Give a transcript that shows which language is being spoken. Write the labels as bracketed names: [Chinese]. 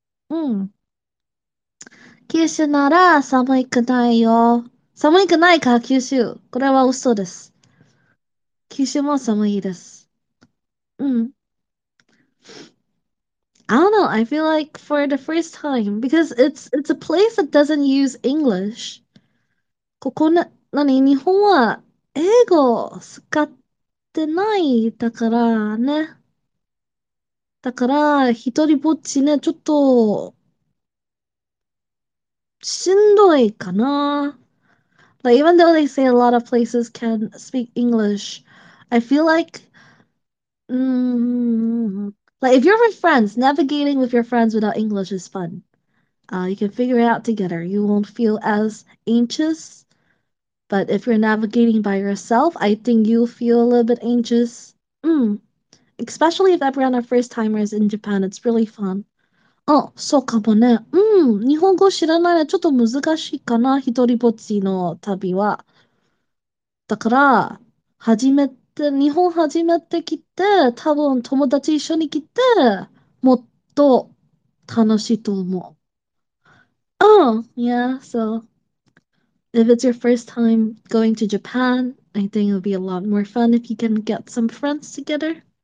[Japanese] うん。九州なら寒くないよ。寒くないか、九州。これは嘘です。九州も寒いです。 [English] I don't know. I feel like for the first time, because it's a place that doesn't use English. [Japanese] ここな、何、日本は英語使ってないだからね。だから、一人ぼっちね、ちょっと、しんどいかな。 [English] Like, even though they say a lot of places can speak English, I feel like, like, if you're with friends, navigating with your friends without English is fun. You can figure it out together. You won't feel as anxious. But if you're navigating by yourself, I think you'll feel a little bit anxious. Especially if everyone are first timers in Japan, it's really fun. [Japanese] あ、そうかもね。日本語知らないのはちょっと難しいかな、一人ぼっちの旅は。だから、日本初めて来て、多分友達一緒に来て、もっと楽しいと思う。 [English] Yeah, so if it's your first time going to Japan, I think it'll be a lot more fun if you can get some friends together.